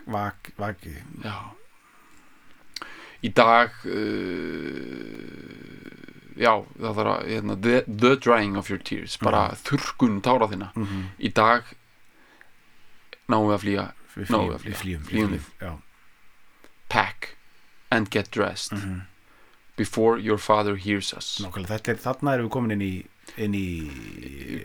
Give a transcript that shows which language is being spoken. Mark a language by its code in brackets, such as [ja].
[is] vaki já í dag já það þarf að hérna, [en] the drying of your tears [is] bara þurrkun tára þína í dag náum við að flýja við flýjum [en] pack and get dressed before your father hears us. [is] Nákvæmlega, þetta er þarna erum við komin inn í